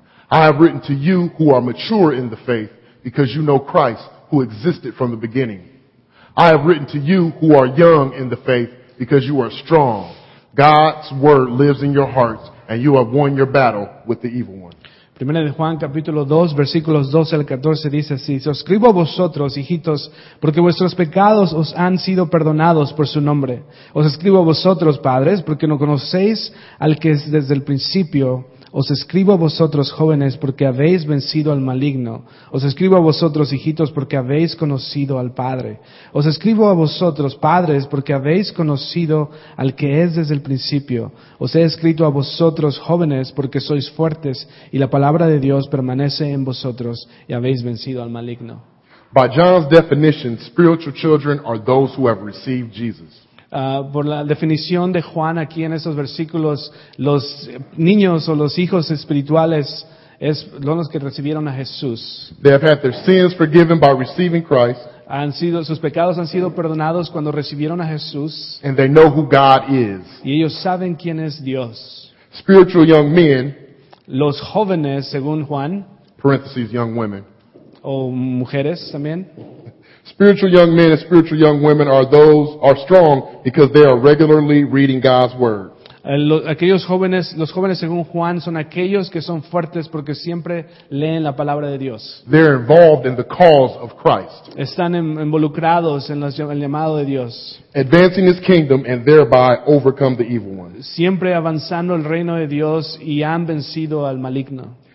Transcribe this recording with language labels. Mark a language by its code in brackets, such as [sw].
[en] I have written to you who are mature in the faith because you know Christ, who existed from the beginning. I have written to you who are young in the faith because you are strong. God's word lives in your hearts and you have won your battle with the evil one. [es] Primera de Juan, capítulo 2, versículos 12 al 14, dice así. Os escribo a vosotros, hijitos, porque vuestros pecados os han sido perdonados por su nombre. Os escribo a vosotros, padres, porque no conocéis al que es desde el principio. Os escribo a vosotros, jóvenes, porque habéis vencido al maligno. Os escribo a vosotros, hijitos, porque habéis conocido al Padre. Os escribo a vosotros, padres, porque habéis conocido al que es desde el principio. Os he escrito a vosotros, jóvenes, porque sois fuertes y la palabra de Dios permanece en vosotros y habéis vencido al maligno. [en] By John's definition, spiritual children are those who have received Jesus. [es] Por la definición de Juan aquí en esos versículos, los niños o los hijos espirituales son los que recibieron a Jesús. [en] They have had their sins forgiven by receiving Christ. [es] Sus pecados han sido perdonados cuando recibieron a Jesús. [en] And they know who God is. [es] Y ellos saben quién es Dios. [en] Spiritual young men, [es] los jóvenes, según Juan, [en] parentheses, young women, [es] o mujeres también. [en] Spiritual young men and spiritual young women are strong because they are regularly reading God's word. [es] Aquellos jóvenes según Juan son aquellos que son fuertes porque siempre leen la palabra de Dios. [en] They're involved in the cause of Christ. [es] Están involucrados en el llamado de Dios. [en] Advancing his kingdom and thereby overcome the evil one. [es] Siempre avanzando el reino de Dios y han vencido al maligno.